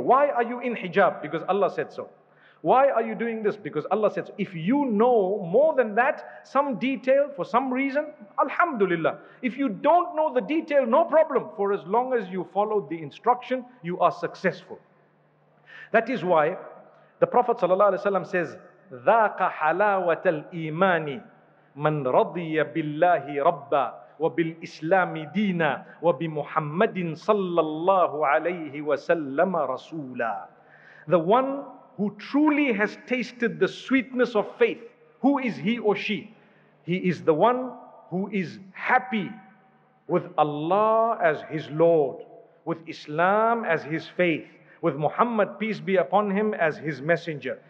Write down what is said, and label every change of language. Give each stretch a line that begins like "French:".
English: Why are you in hijab? Because Allah said so. Why are you doing this? Because Allah said so. If you know more than that, some detail for some reason, alhamdulillah. If you don't know the detail, no problem. For as long as you follow the instruction, you are successful. That is why the Prophet ﷺ says,
Arabic: ذَاقَ حَلَاوَةَ الْإِيمَانِ مَنْ رَضِيَ بِاللَّهِ رَبَّا وَبِالْإِسْلَامِ دِينًا وَبِمُحَمَّدٍ صَلَّى اللَّهُ عَلَيْهِ وَسَلَّمَ رَسُولًا.
English: The one who truly has tasted the sweetness of faith, who is he or she? He is the one who is happy with Allah as his Lord, with Islam as his faith, with Muhammad, peace be upon him, as his messenger.